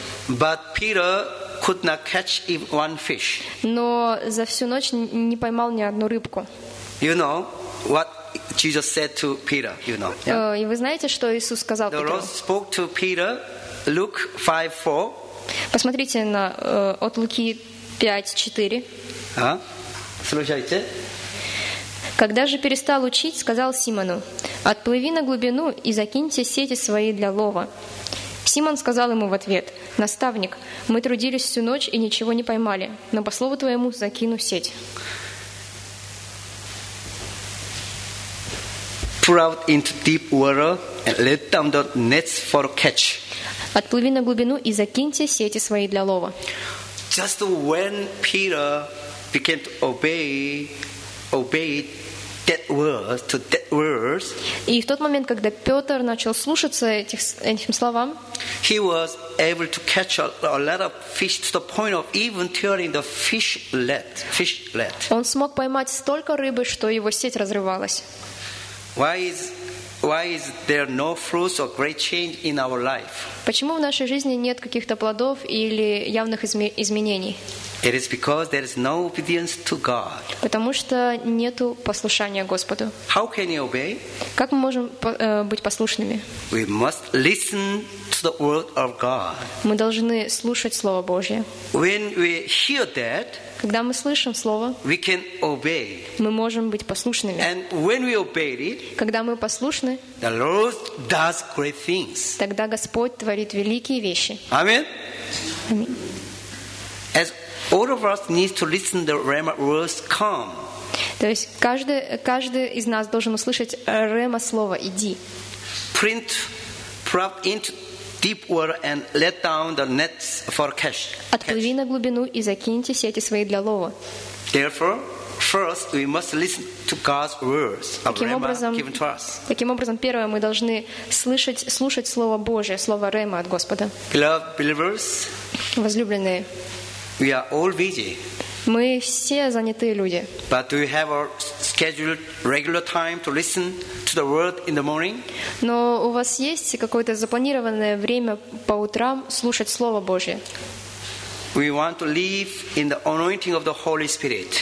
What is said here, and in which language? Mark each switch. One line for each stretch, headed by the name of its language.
English: But Peter could not catch even one fish.
Russian: Но за всю ночь не поймал ни одну рыбку.
English: You know what? Jesus said to Peter, you know. Yeah.
Russian: И вы знаете, что Иисус сказал
English: Петру? The Lord spoke to Peter, Luke 5:4.
Russian: Посмотрите на от Луки 5:4. А? Слушайте. Когда же перестал учить, сказал Симону: «Отплыви на глубину и закиньте сети свои для лова». Симон сказал ему в ответ: «Наставник, мы трудились всю ночь и ничего не поймали, но по слову твоему закину сеть».
English: Pull out into deep water and let down the nets for catch.
Russian: Отплыви на глубину и закиньте сети свои для лова.
English: Just when Peter began to obey that word.
Russian: И в тот момент, когда Петр начал слушаться этим словам,
English: he was able to catch a lot of fish to the point of even tearing the fish net.
Russian: Он смог поймать столько рыбы, что его сеть разрывалась.
English: Why is there no fruits or great change in our life?
Russian: Почему в нашей жизни нет каких-то плодов или явных изменений?
English: It is because there is no obedience to God.
Russian: Потому что нету послушания Господу.
English: How can you obey?
Russian: Как мы можем быть послушными?
English: We must listen to the word of God.
Russian: Мы должны слушать Слово Божье.
English: When we hear that,
Russian: когда мы слышим Слово,
English: we can obey.
Russian: Мы можем быть послушными.
English: And when we obey it,
Russian: когда мы послушны,
English: the Lord does great things.
Russian: Тогда Господь творит великие вещи. Аминь. Аминь.
English: As all of us need to listen to the Rhema words, come.
Russian: То есть каждый из нас должен услышать Рема слово «иди».
English: Print, prop into deep water and let down the nets for catch.
Russian: Отплыви на глубину и закиньте сети свои для лова.
English: Therefore, first we must listen to God's words of Rhema given to us.
Russian: Таким образом, первое, мы должны слушать слово Божье, слово Рема от Господа.
English: Beloved believers,
Russian: возлюбленные,
English: we are all busy.
Russian: Мы все занятые люди.
English: But do we have a scheduled regular time to listen to the word in the morning?
Russian: Но у вас есть какое-то запланированное время по утрам слушать Слово Божье?
English: We want to live in the anointing of the Holy Spirit.